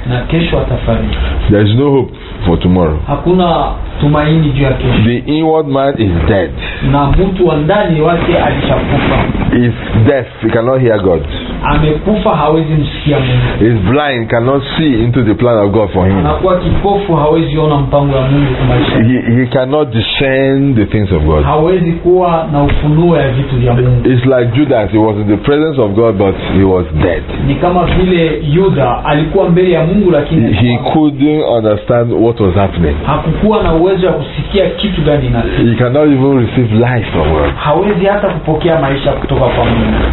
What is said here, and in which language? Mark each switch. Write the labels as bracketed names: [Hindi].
[Swahili] Na kesho atafariki. [English] There is no hope for tomorrow. [Swahili] Hakuna tumaini juu ya kesho. [English] The inward man is dead. [Swahili] Na mtu wa ndani wake alishakufa. [English] Is deaf, he cannot hear God. [Swahili] Amekufa hawezi msikia Mungu. [English] Is blind, cannot see into the plan of God for him. [Swahili] Anakuwa kipofu, hawezi ona mpango wa Mungu kwa maisha. [English] He cannot discern the things of God. [Swahili] Hawezi kuwa na ufunuo ya vitu vya Mungu. [English] It's like Judas, he was in the presence of God but he was dead. [Swahili] Ni kama vile Yuda alikuwa mbele ya Mungu lakini [English] he couldn't understand what was happening. [Swahili] Hakukuwa na uwezo wa kusikia kitu gani inasema. [English] He cannot even receive life from God. [Swahili] Hawezi hata kupokea maisha kutoka kwa Mungu.